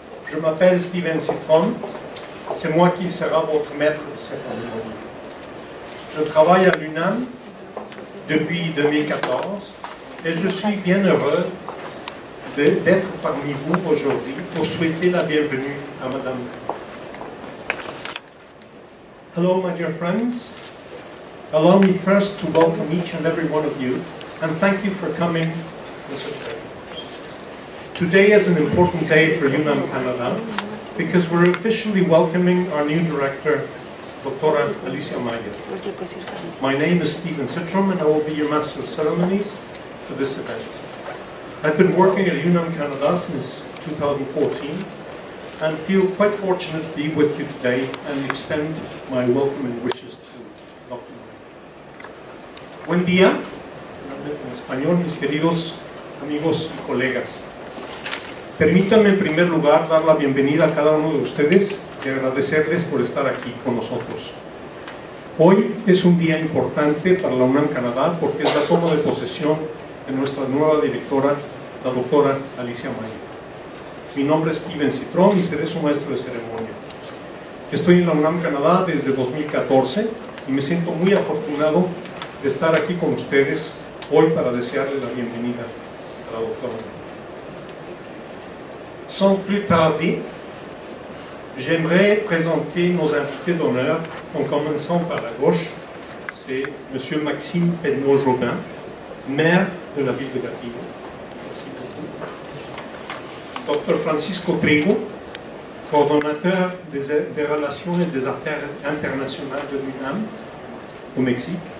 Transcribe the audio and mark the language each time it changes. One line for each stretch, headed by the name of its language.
French: Je m'appelle Steven Citron, c'est moi qui sera votre maître cette année. Je travaille à l'UNAM depuis 2014 et je suis bien heureux d'être parmi vous aujourd'hui pour souhaiter la bienvenue à Madame.
English: Hello, my dear friends. Allow me first to welcome each and every one of you and thank you for coming to such a Today is an important day for UNAM Canada because we're officially welcoming our new director, Dr. Alicia Mayo. My name is Steven Citron and I will be your master of ceremonies for this event. I've been working at UNAM Canada since 2014 and feel quite fortunate to be with you today and extend my welcome and wishes to Dr. Mayo.
Spanish: Buen día, en español, mis queridos amigos y colegas. Permítanme en primer lugar dar la bienvenida a cada uno de ustedes y agradecerles por estar aquí con nosotros. Hoy es un día importante para la UNAM Canadá porque es la toma de posesión de nuestra nueva directora, la doctora Alicia Mayo. Mi nombre es Steven Citron y seré su maestro de ceremonia. Estoy en la UNAM Canadá desde 2014 y me siento muy afortunado de estar aquí con ustedes hoy para desearles la bienvenida a la doctora Mayo.
French: Sans plus tarder, j'aimerais présenter nos invités d'honneur en commençant par la gauche, c'est M. Maxime Pedneau-Jobin, maire de la ville de Gatineau. Merci beaucoup. Dr. Francisco Trigo, coordonnateur des relations et des affaires internationales de l'UNAM au Mexique.